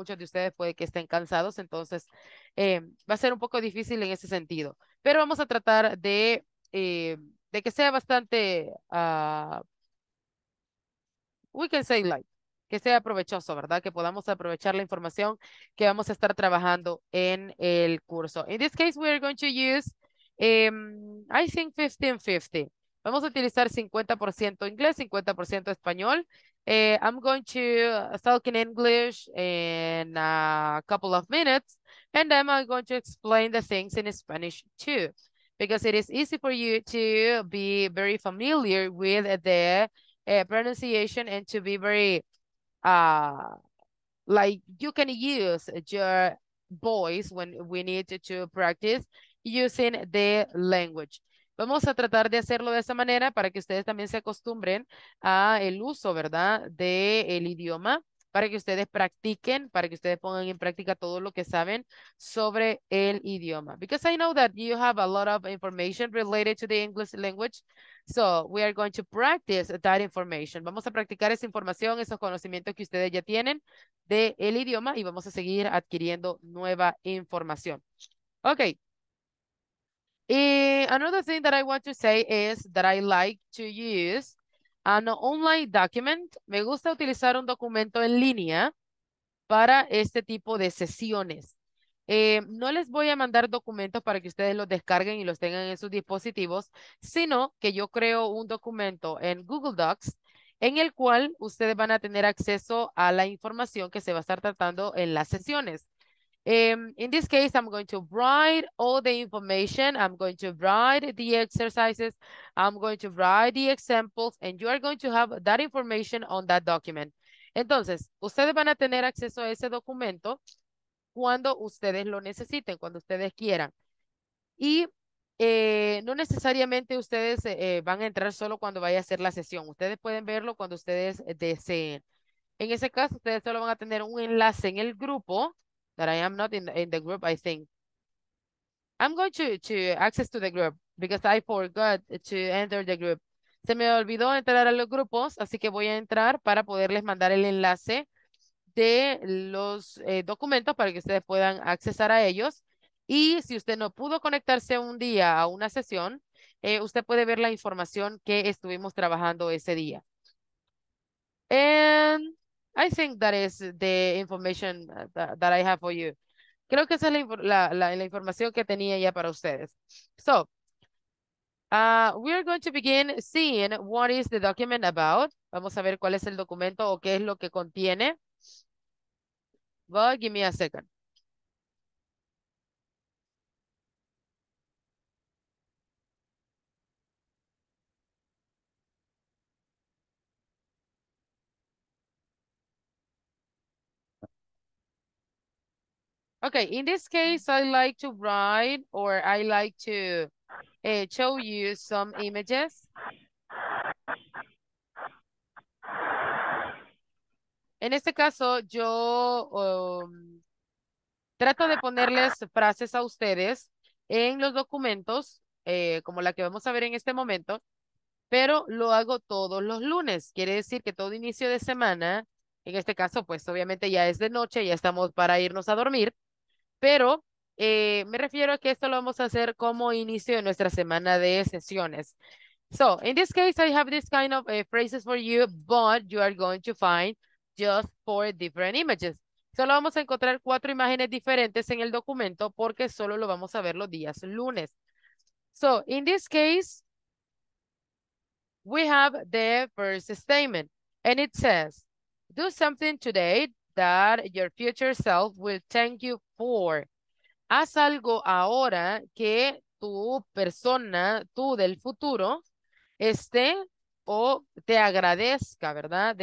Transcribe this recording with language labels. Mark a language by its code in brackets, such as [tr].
[es] Muchos de ustedes puede que estén cansados, entonces va a ser un poco difícil en ese sentido. Pero vamos a tratar de que sea bastante, [en] we can say light, [es] que sea provechoso, ¿verdad? Que podamos aprovechar la información que vamos a estar trabajando en el curso. [en] In this case, we are going to use, I think, 50-50. [es] Vamos a utilizar 50% inglés, 50% español. [en] I'm going to talk in English in a couple of minutes, and then I'm going to explain the things in Spanish too, because it is easy for you to be very familiar with the pronunciation and to be very, like you can use your voice when we need to practice using the language. [es] Vamos a tratar de hacerlo de esa manera para que ustedes también se acostumbren al uso, ¿verdad?, del idioma, para que ustedes practiquen, para que ustedes pongan en práctica todo lo que saben sobre el idioma. [en] Because I know that you have a lot of information related to the English language, so we are going to practice that information. [es] Vamos a practicar esa información, esos conocimientos que ustedes ya tienen del idioma y vamos a seguir adquiriendo nueva información. Ok. [en] Another thing that I want to say is that I like to use an online document. [es] Me gusta utilizar un documento en línea para este tipo de sesiones. No les voy a mandar documentos para que ustedes los descarguen y los tengan en sus dispositivos, sino que yo creo un documento en Google Docs en el cual ustedes van a tener acceso a la información que se va a estar tratando en las sesiones. [en] In this case, I'm going to write all the information. I'm going to write the exercises. I'm going to write the examples. And you are going to have that information on that document. [es] Entonces, ustedes van a tener acceso a ese documento cuando ustedes lo necesiten, cuando ustedes quieran. Y no necesariamente ustedes van a entrar solo cuando vaya a hacer la sesión. Ustedes pueden verlo cuando ustedes deseen. En ese caso, ustedes solo van a tener un enlace en el grupo. [en] That I am not in the group, I think. I'm going to access to the group because I forgot to enter the group. [es] Se me olvidó entrar a los grupos, así que voy a entrar para poderles mandar el enlace de los documentos para que ustedes puedan accesar a ellos. Y si usted no pudo conectarse un día a una sesión, usted puede ver la información que estuvimos trabajando ese día. [en] And I think that is the information that I have for you. [es] Creo que esa es la información que tenía ya para ustedes. [en] So, we are going to begin seeing what is the document about. [es] Vamos a ver cuál es el documento o qué es lo que contiene. [en] But give me a second. Okay, in this case, I like to write or I like to show you some images. [es] En este caso, yo trato de ponerles frases a ustedes en los documentos, como la que vamos a ver en este momento, pero lo hago todos los lunes. Quiere decir que todo inicio de semana, en este caso, pues obviamente ya es de noche, ya estamos para irnos a dormir. Pero me refiero a que esto lo vamos a hacer como inicio de nuestra semana de sesiones. [en] So, in this case, I have this kind of phrases for you, but you are going to find just four different images. [es] Solo vamos a encontrar cuatro imágenes diferentes en el documento porque solo lo vamos a ver los días lunes. [en] So, in this case, we have the first statement, and it says, do something today that your future self will thank you for. [es] Haz algo ahora que tu persona, tú del futuro, esté o te agradezca, ¿verdad?